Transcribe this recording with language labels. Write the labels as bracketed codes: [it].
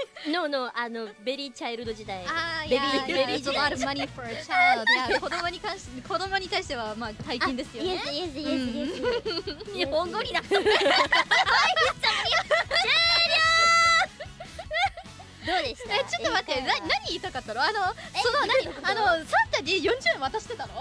[en] No, no, あの、ベリーチャイルド時代。ベビー、yeah, ベビー時代。A lot of money for a child. [ja] いや、子供に関して、子供に対しては、まあ、大金ですよね。 [en] Yes, yes, yes, yes. [ja] 日本語になった。終了どうでした？ちょっと待って、何言いたかったの？あの、その何、あのサンタに40円渡してたの？